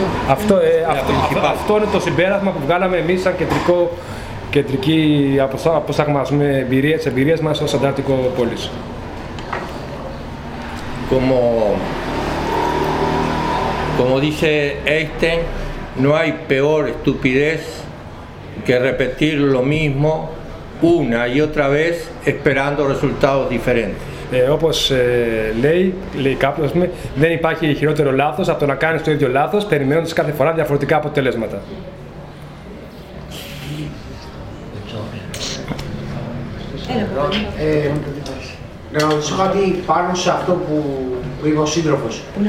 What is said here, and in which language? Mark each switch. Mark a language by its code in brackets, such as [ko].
[el] Αυτό είναι το συμπέρασμα που βγάλαμε εμείς σαν κεντρική αποσταγμασμή εμπειρίες μας ως αντάρτικο πόλης. [es] Como dice Einstein, no hay peor estupidez que repetir lo mismo una y otra vez esperando resultados diferentes. [el] Όπως λέει κάποιος, δεν υπάρχει χειρότερο λάθος από το να κάνεις το ίδιο λάθος περιμένοντας κάθε φορά διαφορετικά αποτελέσματα. Να ρωτήσω κάτι πάνω σε αυτό που είπε ο σύντροφος.